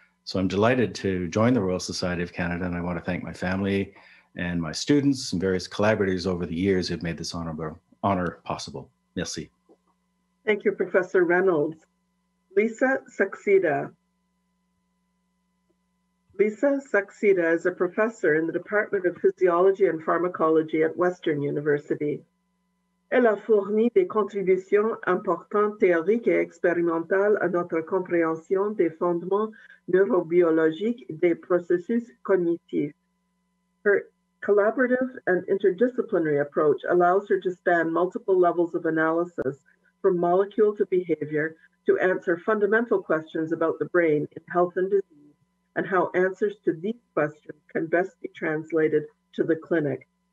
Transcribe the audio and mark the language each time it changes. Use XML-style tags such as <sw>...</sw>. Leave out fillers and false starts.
<en>So I'm delighted to join the Royal Society of Canada, and I want to thank my family and my students and various collaborators over the years who've made this honor possible.</en> <fr>Merci.</fr> <en>Thank you, Professor Reynolds. Lisa Saxida. Lisa Saxida is a professor in the Department of Physiology and Pharmacology at Western University.</en> <fr>Elle a fourni des contributions importantes théoriques et expérimentales à notre compréhension des fondements neurobiologiques des processus cognitifs.</fr> <en>Her collaborative and interdisciplinary approach allows her to span multiple levels of analysis, from molecule to behavior, to answer fundamental questions about the brain in health and disease, and how answers to these questions can best be translated to the clinic.</en>